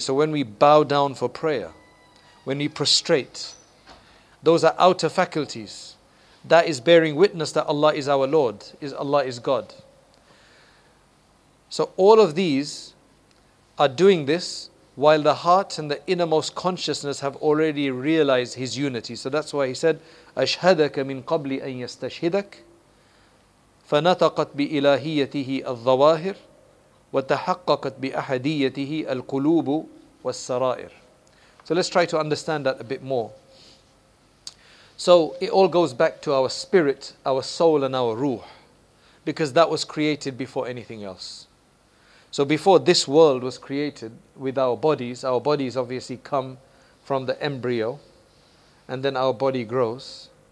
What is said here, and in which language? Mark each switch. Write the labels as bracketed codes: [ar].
[en] So when we bow down for prayer, when we prostrate, those are outer faculties. That is bearing witness that Allah is our Lord, is Allah is God. So all of these are doing this while the heart and the innermost consciousness have already realized his unity. So that's why he said, [ar] أشهدك من قبل أن يستشهدك فنطقت بإلهيته الظواهر وتحققت بأحديته القلوب والسرائر. [en] So let's try to understand that a bit more. So it all goes back to our spirit, our soul and our ruh, because that was created before anything else. So before this world was created with our bodies obviously come from the embryo, and then our body grows.